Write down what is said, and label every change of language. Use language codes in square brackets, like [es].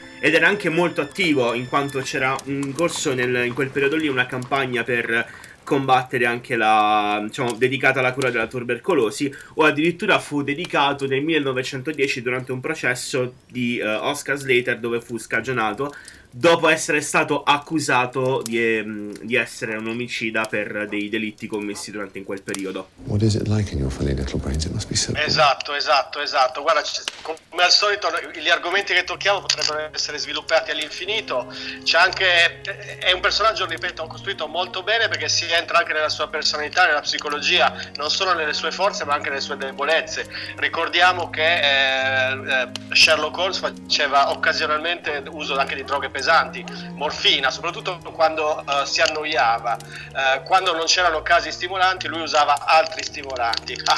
[it] ed era anche molto attivo, in quanto c'era un corso in quel periodo lì, una campagna per combattere anche la, diciamo, dedicata alla cura della tubercolosi, o addirittura fu dedicato nel 1910 durante un processo di Oscar Slater, dove fu scagionato dopo essere stato accusato di essere un omicida per dei delitti commessi durante in quel periodo. [en] What is it like in your funny little brains? It must be so cool. [it] Esatto. Guarda, come al solito gli argomenti che tocchiamo potrebbero essere sviluppati all'infinito. C'è anche, è un personaggio, ripeto, costruito molto bene, perché si entra anche nella sua personalità, nella psicologia, non solo nelle sue forze ma anche nelle sue debolezze. Ricordiamo che Sherlock Holmes faceva occasionalmente uso anche di droghe pesanti, morfina, soprattutto quando si annoiava, quando non c'erano casi stimolanti lui usava altri stimolanti.